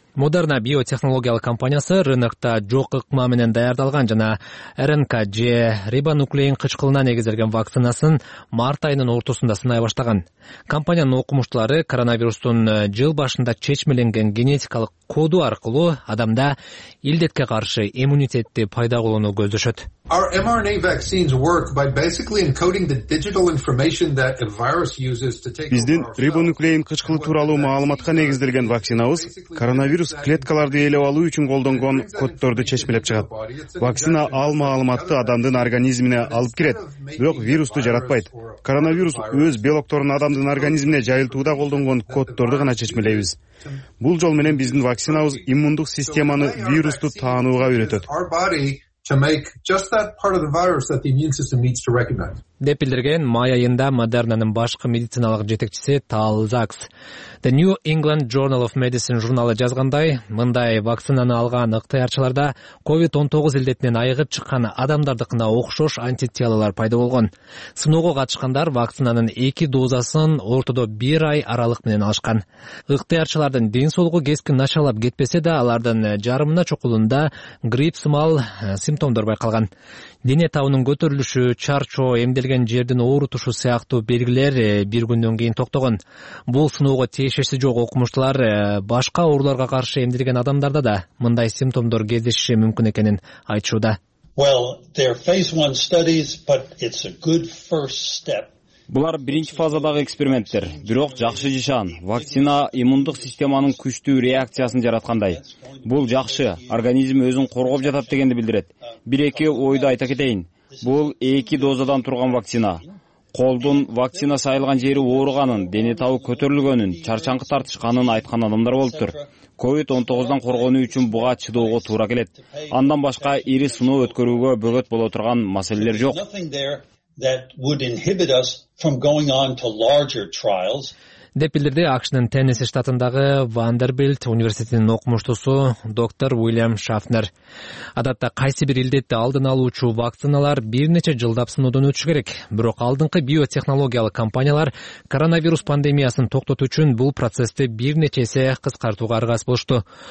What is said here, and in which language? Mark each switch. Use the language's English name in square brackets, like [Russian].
[Kyrgyz] Moderna биотехнологиялык компаниясы рынокта жок ыкма менен даярдалган жана РНК же рибонуклеин кычкылына негизделген вакцинасын март айынын ортосунда сынай баштаган. Компаниянын окумуштуулары коронавирустун жыл башында чечмеленген генетикалык коду аркылуу адамда илдетке каршы иммунитетти пайда кылууну көздөшөт. [English] Our mRNA vaccines work by basically encoding the digital information that a virus uses to take. [Kyrgyz] Биздин рибонуклеин кычкылы тууралуу маалыматка негизделген вакцинабыз коронавирус клеткаларды ээлеп алуу үчүн колдонгон кодторду чечмелеп чыгат. Вакцина ал маалыматты адамдын организмине алып кирет, бирок вирусту жаратпайт. Коронавирус өз белокторун адамдын организмине жайылтууда колдонгон кодторду гана чечмелейбиз. Бул жол менен биздин вакцинабыз иммундук системаны вирусту таанууга үйрөтөт. [English] To make just that part of the virus that the immune system needs to recognize. [Kyrgyz] Деп билдирген май айында Moderna'nın башкы медициналык жетекчиси Тал Закс. The New England Journal of Medicine журналы жазгандай, мындай вакцинаны алган ыктыярчыларда COVID-19 илдетинен айыгып чыккан адамдардыкына окшош антителалар пайда болгон. Сыноого катышкандар вакцинанын 2 дозасын ортодо 1 ай аралык менен алышкан. Ыктыярчылардын ден соолугу кескин начарлап кетпесе да, алардын жарымына чокулунда грипп сымал симптомдор байкалган. Дене табынын көтөрүлүшү, чарчоо, эмделген жердин оорутушу сыяктуу белгилер бир күндөн кийин токтогон. Бул сыноого тиешеси жок окумуштуулар башка ооруларга каршы эмделген адамдарда да мындай симптомдор кездешиши мүмкүн экенин айтышууда. [English] Well, they're phase 1 studies, but it's a good first step. [Kyrgyz] Булар биринчи фазадагы эксперименттер, бирок жакшы жишан. Вакцина иммундук системанын күчтүү реакциясын жараткандай. Бул жакшы, организм өзүн коргоп жатат дегенди билдирет. 1-2 ойду айта кетейин. Бул 2 дозадан турган вакцина. Колдун вакцина сайылган жери ооруганын, дене табы көтөрүлгөнүн, чарчаңкы тартышканын айткан адамдар болуптур. COVID-19 коргонуу үчүн буга чыдоого туура келет. Андан башка ири сыноо өткөрүүгө бөгөт боло турган маселелер жок. [English] That would inhibit us from going on to larger trials. [Kyrgyz] деп билдирди АКШнын Теннесси штатындагы Вандербильт университетинин окумуштуусу доктор Уильям Шафнер. Адатта кайсы бир илдетти алдын алуучу вакциналар бир нече жылдап сыноодон өтүшү керек. Бирок алдыңкы биотехнологиялык компаниялар коронавирус пандемиясын токтотуу үчүн бул процессти бир нече эсе кыскартууга аргас болушту.